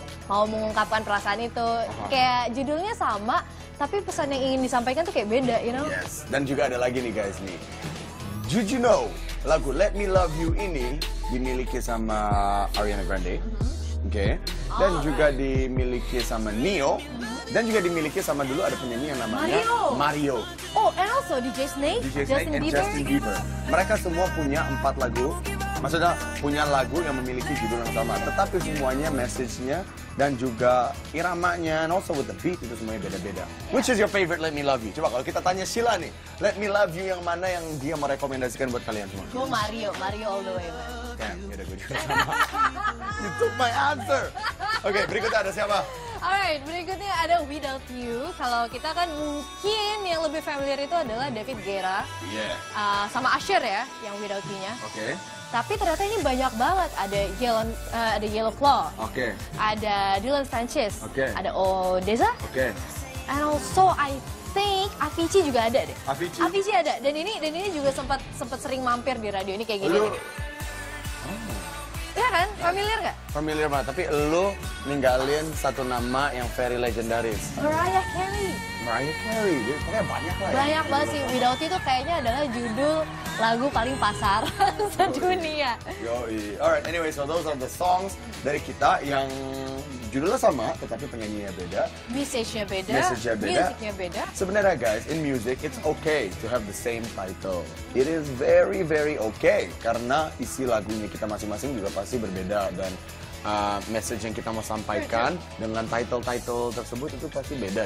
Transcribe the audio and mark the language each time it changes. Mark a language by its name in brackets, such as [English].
[Indonesian] mau mengungkapkan perasaan itu, kayak judulnya sama, tapi pesan yang ingin disampaikan tuh kayak beda, [English] you know? [Indonesian] Yes, dan juga ada lagi nih guys nih, [English] Did you know [Indonesian] lagu Let Me Love You ini dimiliki sama Ariana Grande, okay? Dan juga dimiliki sama Neo, dan juga dimiliki sama dulu ada penyanyi yang namanya Mario. [English] Oh, and also DJ Snake, DJ Snake and Justin Bieber. [Indonesian] Mereka semua punya 4 lagu. Maksudnya punya lagu yang memiliki judul yang sama, tetapi semuanya message-nya dan juga iramanya [English] and also with the beat [Indonesian] itu semuanya beda-beda. [English] Yeah. Which is your favorite Let Me Love You? [Indonesian] Coba kalau kita tanya Sheila nih, Let Me Love You yang mana yang dia merekomendasikan buat kalian semua? Gue [English] Mario all the way, man. Damn, [Indonesian] yaudah gue juga sama. [English] You took my answer. [Indonesian] Oke, berikutnya ada siapa? Alright, berikutnya ada Without You. Kalau kita kan mungkin yang lebih familiar itu adalah David Guetta. [English] Yeah. [Indonesian] Sama Usher ya, yang Without You-nya. [English] Oke. Okay. [Indonesian] Tapi ternyata ini banyak banget, ada Yellow Claw, [English] okay. [Indonesian] Ada Dylan Sanchez, [English] okay. [Indonesian] Ada Odessa, [English] okay. And also I think Avicii [Indonesian] juga ada deh. Avicii ada, dan ini juga sempat sering mampir di radio ini kayak gini. Iya kan, familiar gak? Familiar banget, tapi lu ninggalin satu nama yang very legendaris. Mariah Carey, jadi pokoknya banyak lah. Banyak banget sih, Without You itu kayaknya adalah judul lagu paling pasar sedunia. Yoi, [English] alright, anyway, so those are the songs [Indonesian] dari kita yang judulnya sama, tetapi penyanyinya beda. Message-nya beda. Musiknya beda. Sebenarnya guys, [English] in music, it's okay to have the same title. It is very, very okay, [Indonesian] karena isi lagunya kita masing-masing juga pasti berbeda. Dan message yang kita mau sampaikan dengan title-title tersebut itu pasti beda.